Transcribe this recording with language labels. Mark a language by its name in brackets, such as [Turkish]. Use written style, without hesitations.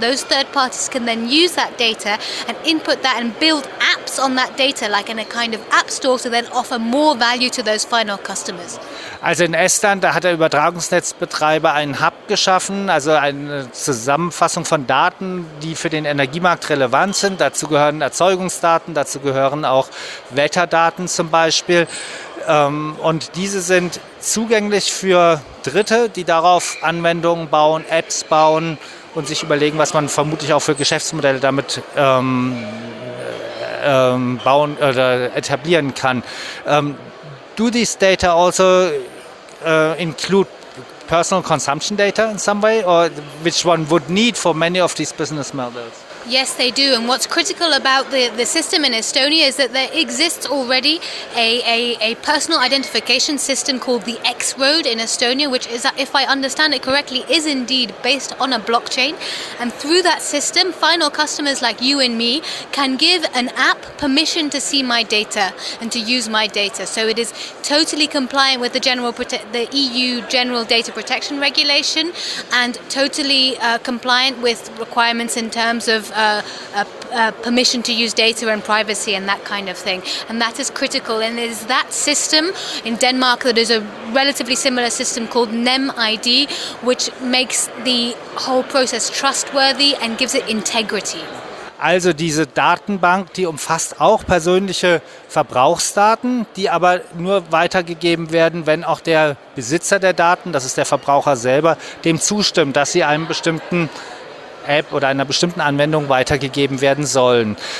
[English] Those third parties can then use that data and input that and build apps on that data, like in a kind of app store, to then offer more value to those final customers. [German] Also in Estland, da hat der Übertragungsnetzbetreiber einen Hub geschaffen, also eine Zusammenfassung von Daten, die für den Energiemarkt relevant sind. Dazu gehören Erzeugungsdaten, dazu gehören auch Wetterdaten zum Beispiel. Und diese sind zugänglich für Dritte, die darauf Anwendungen bauen, Apps bauen und sich überlegen, was man vermutlich auch für Geschäftsmodelle damit bauen oder etablieren kann. [English] Do these data also include personal consumption data in some way, or which one would need for many of these business models? Yes, they do. And what's critical about the system in Estonia is that there exists already a personal identification system called the X-Road in Estonia, which is, if I understand it correctly, is indeed based on a blockchain. And through that system, final customers like you and me can give an app permission to see my data and to use my data. So it is totally compliant with the EU General Data Protection Regulation and totally compliant with requirements in terms of permission to use data and privacy and that kind of thing. And that is critical. And it is that system in Denmark that is a relatively similar system called NemID, which makes the whole process trustworthy and gives it integrity. [German] Also diese Datenbank, die umfasst auch persönliche Verbrauchsdaten, die aber nur weitergegeben werden, wenn auch der Besitzer der Daten, das ist der Verbraucher selber, dem zustimmt, dass sie einem bestimmten App oder einer bestimmten Anwendung weitergegeben werden sollen.